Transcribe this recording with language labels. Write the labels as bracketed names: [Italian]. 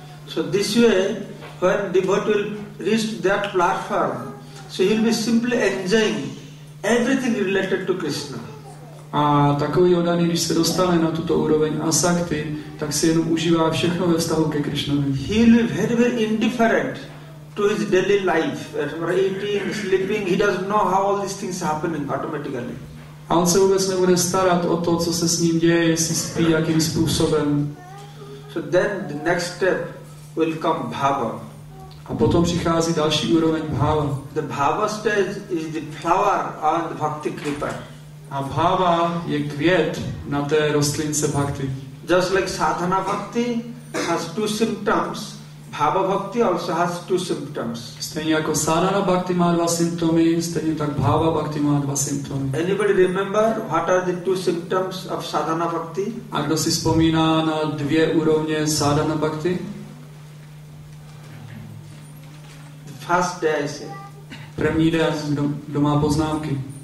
[English] So this way, when devotee will reach that platform, so he'll be simply enjoying everything related to Krishna. [Czech] A takový Odaný, když se dostane na tuto úroveň Asakti, tak si jenom užívá všechno ve vztahu ke Krišnovi. [English] He will be very, very indifferent to his daily life. Eating, sleeping, he doesn't know how all these things happening automatically. [Czech] A on se vůbec nebude starat o to, co se s ním děje, jestli spí, jakým způsobem. [English] So then the next step will come bhava. [Czech] A potom přichází další úroveň bhava. [English] The bhava stage is the flower on the bhakti kripa. [Czech] A bhava je květ na té rostlince bhakti. [English] Just like sadhana bhakti has two symptoms, bhava bhakti also has two symptoms. [Czech] Stejně jako sadhana bhakti má dva symptomy, stejně tak bhava bhakti má dva symptomy. [English] Anybody remember what are the two symptoms of sadhana bhakti? [Czech] A kdo si vzpomíná na dvě úrovně sadhana bhakti? [English] The first day, I say. [Czech] První den, kdo má poznámky?